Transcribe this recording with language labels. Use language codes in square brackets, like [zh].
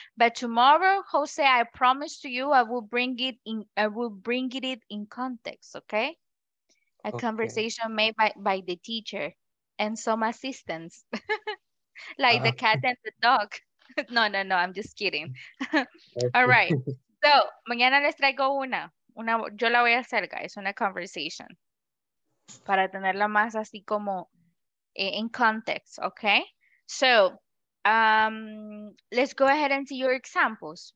[en] But tomorrow, Jose, I promise to you, I will bring it in context, okay? A conversation made by the teacher and some assistants, like the cat and the dog. No, I'm just kidding. All right. [es] So, mañana les traigo una, yo la voy a hacer, guys, una conversation. Para tenerla más así como [en] in context, okay? So, let's go ahead and see your examples.